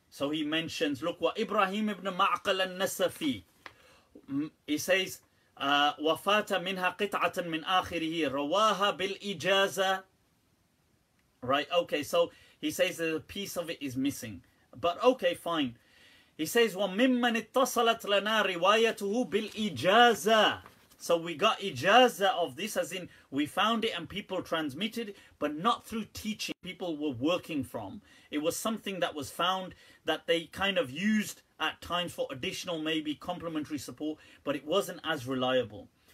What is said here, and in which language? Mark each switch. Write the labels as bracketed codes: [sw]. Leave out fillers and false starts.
[en] So he mentions, look, what Ibrahim ibn Ma'qal al-Nasafi, he says, [ar] وفات منها قطعة من آخره رواها بالإجازة. [en] Right, okay, so he says that a piece of it is missing. But okay, fine. He says, [ar] وممن اتصلت لنا روايته بالإجازة. [en] So we got إجازة of this, as in we found it and people transmitted, but not through teaching people were working from. It was something that was found that they kind of used at times for additional, maybe complementary support, but it wasn't as reliable.